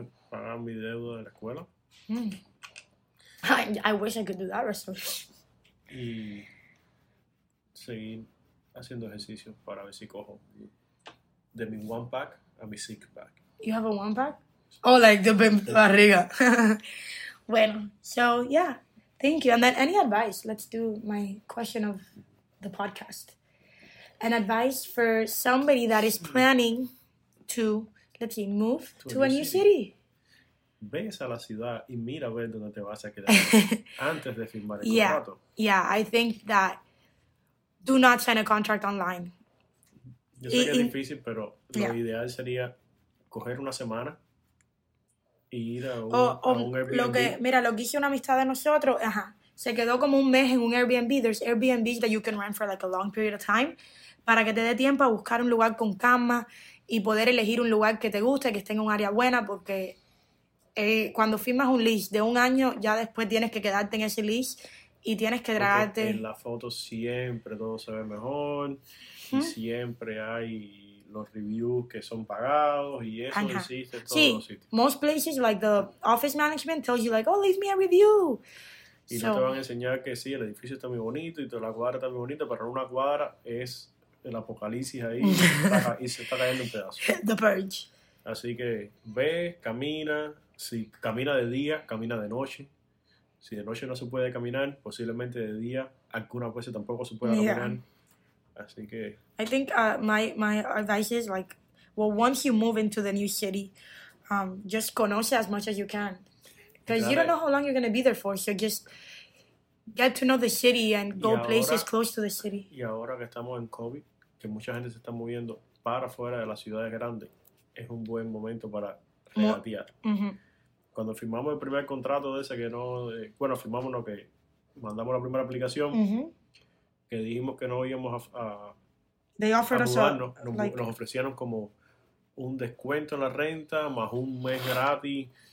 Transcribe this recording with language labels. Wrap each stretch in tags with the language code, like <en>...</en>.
<es>Pagar mi deuda de la escuela.</es> <en>I wish I could do that resolution.</en> <es>Y seguir haciendo ejercicios para ver si cojo de mi one pack a mi six pack.</es> <en>You have a one pack? Oh, like the barriga. Bueno, so yeah, thank you. And then any advice? Let's do my question of the podcast. An advice for somebody that is planning to, let's see, move to a new city.</en> <es>Ve a la ciudad y mira a ver dónde te vas a quedar antes de firmar el contrato.</es> <en>Yeah, I think that do not sign a contract online.</en> <es>Yo sé que es difícil, pero lo ideal sería coger una semana e ir a un Airbnb. Lo que hice una amistad de nosotros, ajá. Se quedó como un mes en un Airbnb.</es> <en>There's Airbnbs that you can rent for like a long period of time.</en> <es>Para que te dé tiempo a buscar un lugar con cama y poder elegir un lugar que te guste, que esté en un área buena. Porque cuando firmas un lease de un año, ya después tienes que quedarte en ese lease y tienes que tragarte. En la foto siempre todo se ve mejor. Y siempre hay los reviews que son pagados y eso existe en todos los sitios.</es> <en>Most places, like the office management, tells you like, oh, leave me a review.</en> <es>Y no te van a enseñar que sí, el edificio está muy bonito y toda la cuadra está muy bonita, pero una cuadra es el apocalipsis ahí y se está cayendo en pedazos.</es> <en>The purge.</en> <es>Así que ve, camina. Si camina de día, camina de noche. Si de noche no se puede caminar, posiblemente de día algunas veces tampoco se pueda caminar. Así que...</es> <en>I think my advice is like, well, once you move into the new city, just conoce as much as you can. Because you don't know how long you're going to be there for, so just get to know the city and go ahora, places close to the city.</en> <es>Y ahora que estamos en COVID, que mucha gente se está moviendo para fuera de las ciudades grandes, es un buen momento para reatear. Cuando firmamos el primer contrato de ese que no... Bueno, firmamos lo que mandamos la primera aplicación, que dijimos que no íbamos nos ofrecieron como un descuento en la renta, más un mes gratis.</es>